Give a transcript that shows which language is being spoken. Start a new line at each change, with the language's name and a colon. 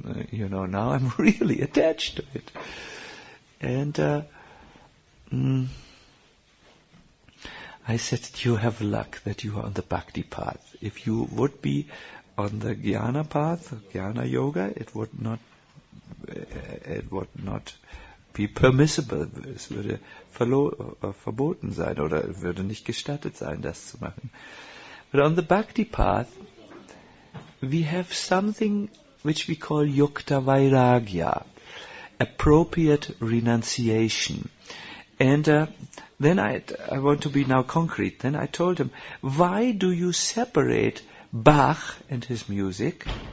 English: You know, now I'm really attached to it. And I said, you have luck that you are on the bhakti path. If you would be on the jnana path, jnana yoga, it would not be permissible.
German: Es würde verboten sein, oder es würde nicht gestattet sein, das zu machen.
English: But on the bhakti path, we have something which we call yukta vairagya, appropriate renunciation. And then I want to be now concrete. Then I told him, why do you separate Bach and his music?